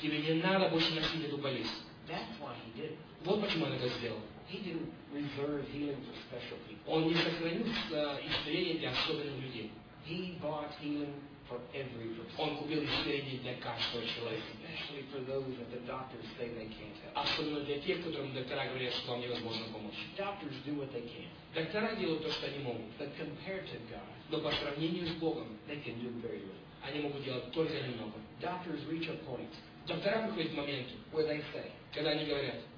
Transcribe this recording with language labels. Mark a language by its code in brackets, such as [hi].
[ru] Тебе не надо больше носить эту болезнь. [en] That's why he did. [ru] Вот почему он это сделал. [en] He didn't reserve healing for special people. [ru] Он не сохранил исцеление для особенных людей. [en] He bought healing for every person. [ru] Он купил исцеление для каждого человека. [en] Especially for those that the doctors say they can't help. [ru] Особенно для тех, которым доктора говорят, что вам невозможно помочь. [en] Doctors do what they can. [ru] Доктора делают то, что они могут. [en] But compared to God, [ru] но по сравнению с Богом, [en] they can do very little. [ru] Они могут делать только немного. [en] Doctors reach a point. [ru] Доктора приходят к моменту, [en] where they say, [ru] когда они говорят,